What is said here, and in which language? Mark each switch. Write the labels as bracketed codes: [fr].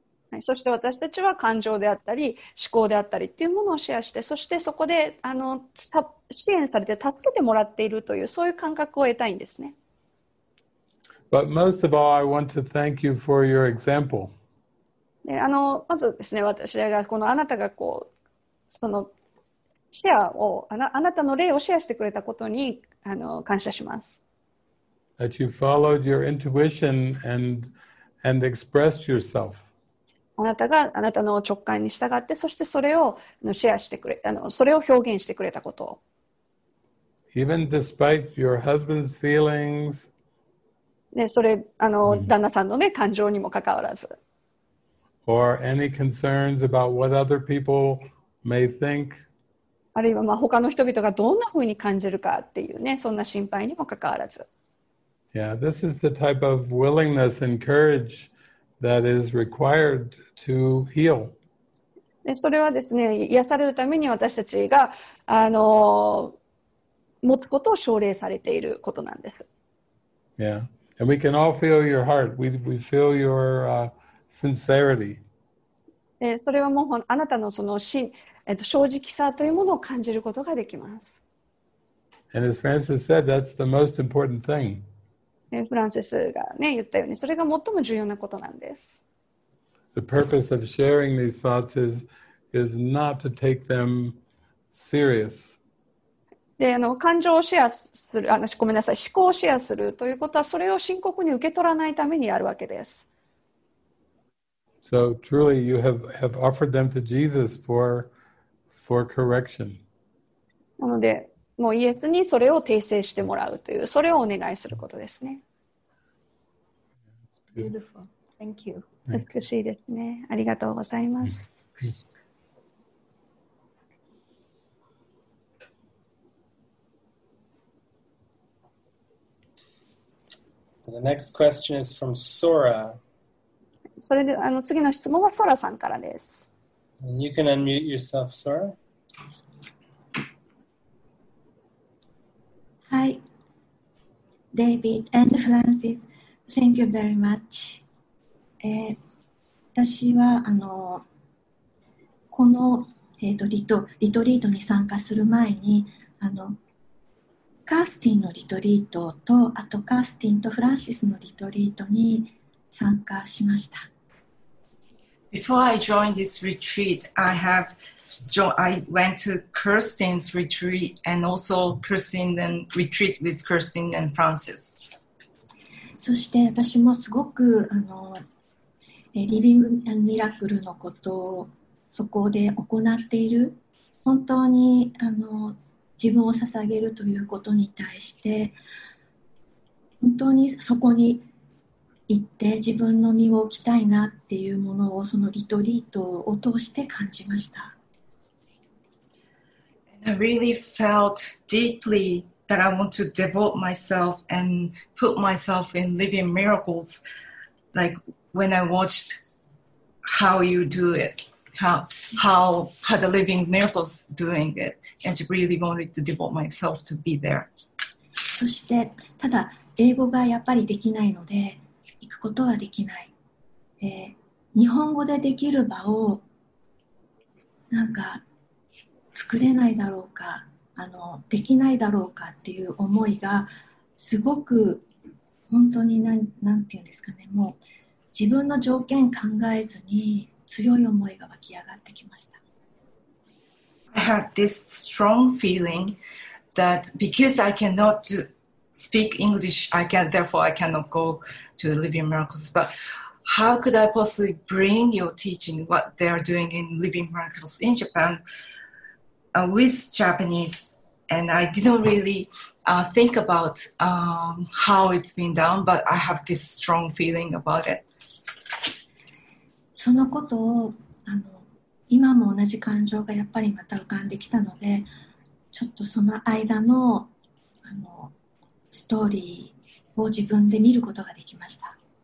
[ja] はい、そして私たちは感情であったり思考であったりっていうものをシェアして、そしてそこで支援されて助けてもらっているというそういう感覚を得たいんですね。 [en] But most of all I want to thank you for your example. [ja] まずですね、私がこのあなたがこうそのシェアをあなたの例をシェアしてくれたことに感謝します。 [en] That you followed your intuition and expressed yourself. [ja] あなたがあなたの直感に従って、そしてそれをシェアしてくれ、それを表現してくれたことを。 [en] Even despite your husband's feelings. [ja] ね、それ旦那さんのね感情にもかかわらず。 [en] Or any concerns about what other people may think. [ja] あるいはまあ他の人々がどんなふうに感じるかっていうね、そんな心配にもかかわらず。 [en] Yeah, this is the type of willingness and courage that is required to heal. [ja] それはですね、癒されるために私たちが持つことを奨励されていることなんです。 [en] Yeah, and we can all feel your heart. We feel your... Sincerity. [ja] それはもうあなたのその正直さというものを感じることができます。 [en] And as Francis said, that's the most important thing. [ja] フランセスがね言ったように、それが最も重要なことなんです。 [en] The purpose of sharing these thoughts is not to take them serious. [ja] で感情をシェアする、ごめんなさい、思考をシェアするということは、それを深刻に受け取らないためにやるわけです。 [en] So truly, you have offered them to Jesus for correction. [ja] なので、もうイエスにそれを訂正してもらうという、それをお願いすることですね。 [en] Beautiful. Thank you. [ja] 美しいですね。ありがとうございます。 [en] The next question is from Sora. [ja] それで次の質問はソラさんからです。 [en] You can unmute yourself, Sora. Hi, David and Francis. Thank you very much. [ja] 私はこの、リトリートに参加する前にカースティンのリトリートと、あとカースティンとフランシスのリトリートに参加しました。 [en] Before I joined this retreat, I went to Kirsten's retreat and also Kirsten and retreat with Kirsten and Francis. [ja] そして私もすごくリビングミラクルのことをそこで行っている本当に自分を捧げるということに対して本当にそこに行って自分の身を置きたいなっていうものをそのリトリートを通して感じました。 [en] And I really felt deeply that I want to devote myself and put myself in living miracles, like when I watched how you do it, how the living miracles doing it, and I really wanted to devote myself to be there. [ja] そしてただ英語がやっぱりできないので。行くことはできない、日本語でできる場をなんか作れないだろうかできないだろうかっていう思いがすごく本当に何て言うんですかねもう自分の条件考えずに強い思いが湧き上がってきました。 [en] I had this strong feeling that because I cannot do...Speak English, I can, therefore I cannot go to Living Miracles. But how could I possibly bring your teaching, what they are doing in Living Miracles in Japan, with Japanese? And I didn't really think about how it's been done, but I have this strong feeling about it. [ja] そのことを今も同じ感情がやっぱりまた浮かんできたので、ちょっとその間のストーリーを自分で見ることができました。